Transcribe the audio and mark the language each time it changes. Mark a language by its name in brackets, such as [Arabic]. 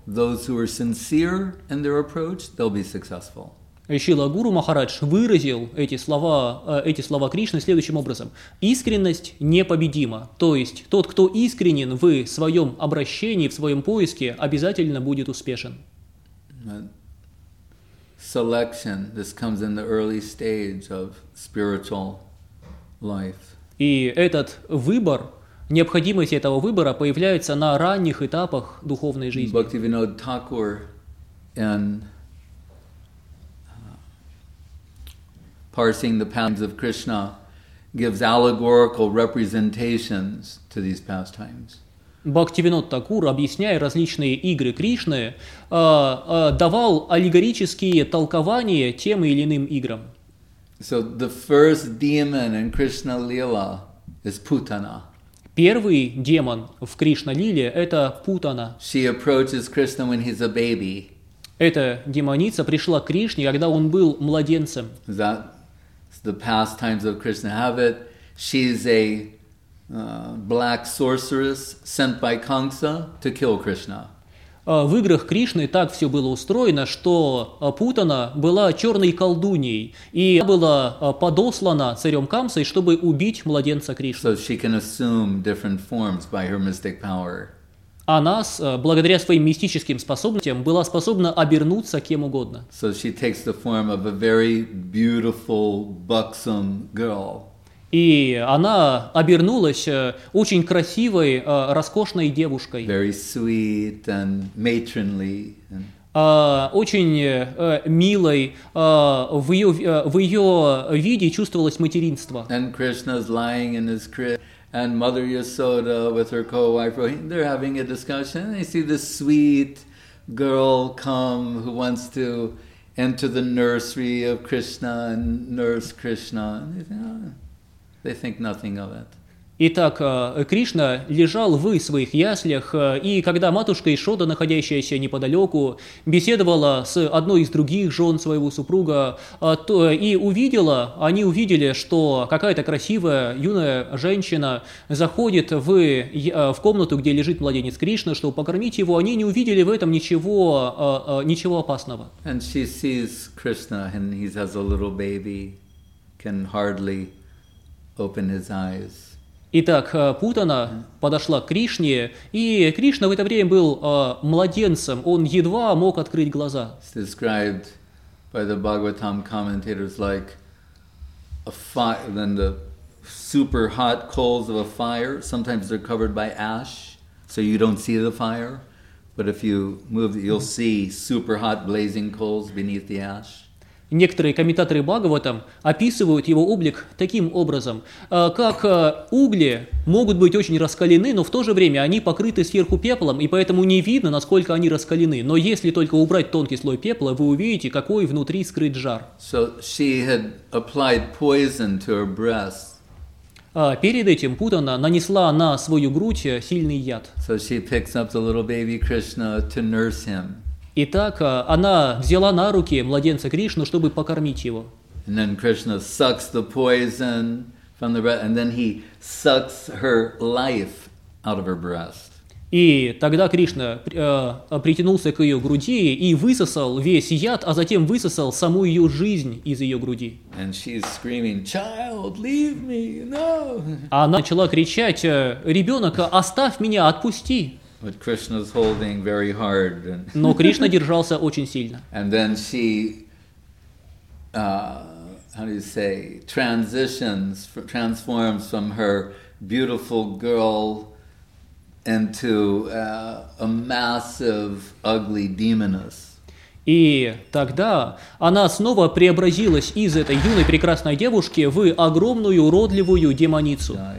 [English] Those who are sincere in their approach, they'll be successful. [Russian] Шрила Гуру Махарадж выразил эти слова Кришны следующим образом. Искренность непобедима. То есть тот, кто искренен в своем обращении, в своем поиске, обязательно будет успешен. [English] Selection. This comes in the early stage of spiritual life. [Russian] И этот выбор, необходимость этого выбора появляется на ранних этапах духовной жизни. [English] Бхактивинод Такур and Parsing the Pastimes of Krishna gives allegorical representations to these pastimes. [Russian] Бхактивинод Такур, объясняя различные игры Кришны, давал аллегорические толкования тем или иным играм. [English] So the first demon in Krishna Lila is Putana. [Russian] Первый демон в Кришна Лиле – это Путана. [English] She approaches Krishna when he's a baby. [Russian] Эта демоница пришла к Кришне, когда он был младенцем. [English] The pastimes of Krishna have it. She's a black sorceress sent by Kamsa to kill Krishna. [Russian] В играх Кришны так все было устроено, что Путана была черной колдуньей и была подослана царем Камсой, чтобы убить младенца Кришны. [English] So she can assume different forms by her mystic power. [Russian] Она, благодаря своим мистическим способностям, была способна обернуться кем угодно. [English] So she takes the form of a very beautiful, buxom girl. [Russian] И она обернулась очень красивой, роскошной девушкой. [English] Very sweet and matronly. [Russian] Очень милой. В ее виде чувствовалось материнство. [English] And Krishna's lying in his crib. And Mother Yasoda with her co-wife, they're having a discussion. They see this sweet girl come who wants to enter the nursery of Krishna and nurse Krishna. And they think nothing of it. [Russian] Итак, Кришна лежал в своих яслях, и когда матушка Ишода, находящаяся неподалеку, беседовала с одной из других жен своего супруга, то и увидела, они увидели, что какая-то красивая юная женщина заходит в комнату, где лежит младенец Кришна, чтобы покормить его, они не увидели в этом ничего опасного. [English] And she sees Krishna, and he has a little baby, can hardly open his eyes. [Russian] Итак, Путана подошла к Кришне, и Кришна в это время был младенцем, он едва мог открыть глаза. [English] It's described by the Bhagavatam commentators like a fire, than the super hot coals of a fire. Sometimes they're covered by ash, so you don't see the fire. But if you move, you'll see super hot blazing coals beneath the ash. [Russian] Некоторые комментаторы Бхагаватам описывают его облик таким образом, как угли могут быть очень раскалены, но в то же время они покрыты сверху пеплом, и поэтому не видно, насколько они раскалены. Но если только убрать тонкий слой пепла, вы увидите, какой внутри скрыт жар. [English] So she had applied poison to her breast. [Russian] Перед этим Путана нанесла на свою грудь сильный яд. [English] So she picks up the little baby Krishna to nurse him. [Russian] Итак, она взяла на руки младенца Кришну, чтобы покормить его. [English] And then Krishna sucks the poison from the breast, and then he sucks her life out of her breast. [Russian] И тогда Кришна притянулся к ее груди и высосал весь яд, а затем высосал саму ее жизнь из ее груди. [English] And she's screaming, "Child, leave me, no!" [Russian] Она начала кричать: «Ребенок, оставь меня, отпусти!» [English] But Krishna's holding very hard. And [Russian] Но Кришна держался очень сильно. [English] And then she, how do you say, transforms from her beautiful girl into a massive, ugly demoness. [Russian] И тогда она снова преобразилась из этой юной прекрасной девушки в огромную уродливую демоницу.